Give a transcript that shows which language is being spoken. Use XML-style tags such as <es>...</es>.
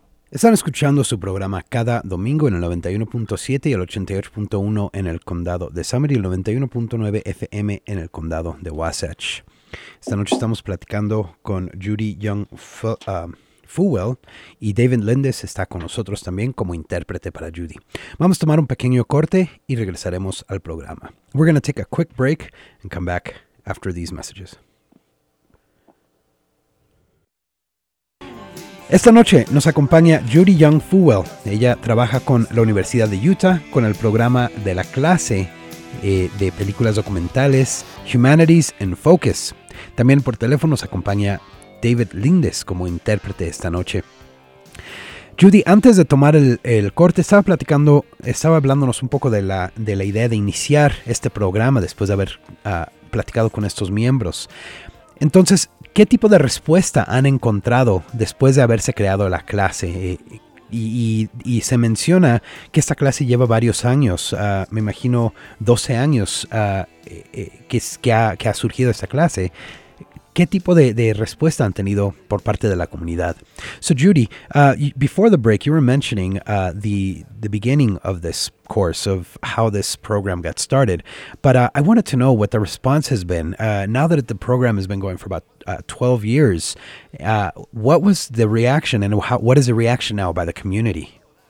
<es>Están escuchando su programa cada domingo en el 91.7 y el 88.1 en el condado de Summit y el 91.9 FM en el condado de Wasatch. Esta noche estamos platicando con Judy Young Fuwell y David Lindes está con nosotros también como intérprete para Judy. Vamos a tomar un pequeño corte y regresaremos al programa.</es> <en>We're going to take a quick break and come back after these messages.</en> <es>Esta noche nos acompaña Judy Young Fuwell. Ella trabaja con la Universidad de Utah con el programa de la clase de películas documentales Humanities in Focus. También por teléfono nos acompaña David Lindes como intérprete esta noche. Judy, antes de tomar el corte, estaba hablándonos un poco de la idea de iniciar este programa después de haber platicado con estos miembros. Entonces, ¿qué tipo de respuesta han encontrado después de haberse creado la clase? Y se menciona que esta clase lleva varios años, me imagino 12 años que ha surgido esta clase. ¿Qué tipo de respuesta han tenido por parte de la comunidad?</es> <en>So Judy, before the break, you were mentioning the beginning of this course, of how this program got started. But I wanted to know what the response has been. Now that the program has been going for about 12 years, what was the reaction and what is the reaction now by the community?</en>